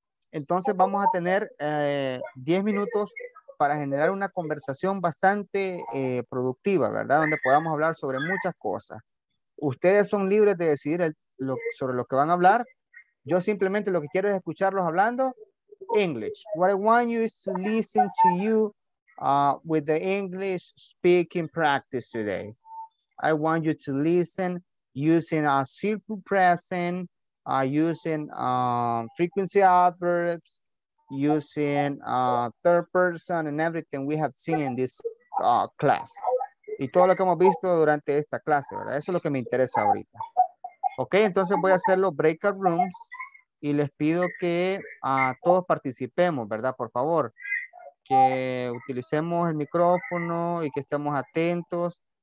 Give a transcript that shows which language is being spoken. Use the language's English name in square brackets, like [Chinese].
[Spanish] Entonces vamos a tener 10 minutos para generar una conversación bastante productiva, ¿verdad? Donde podamos hablar sobre muchas cosas. Ustedes son libres de decidir sobre lo que van a hablar. Yo simplemente lo que quiero es escucharlos hablando English. [English] What I want you is to listen to you with the English speaking practice today. I want you to listen using a simple present, using frequency adverbs, using third person and everything we have seen in this class. [Spanish] Y todo lo que hemos visto durante esta clase, ¿verdad? Eso es lo que me interesa ahorita. Ok, entonces voy a hacer los breakout rooms y les pido que todos participemos, ¿verdad? Por favor, que utilicemos el micrófono y que estemos atentos.